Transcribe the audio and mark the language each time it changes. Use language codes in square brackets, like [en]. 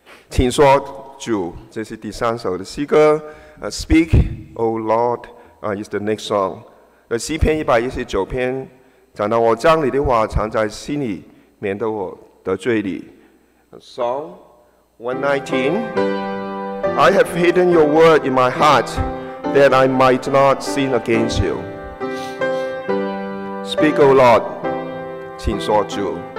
[zh] 听说主，这是第三首的诗歌。 [en] Speak, O Lord, is the next song. [zh] 诗篇119篇，讲到我将你的话藏在心里，免得我得罪你。 [en] Psalm 119. I have hidden your word in my heart, that I might not sin against you. Speak, O Lord, [zh] 请说主。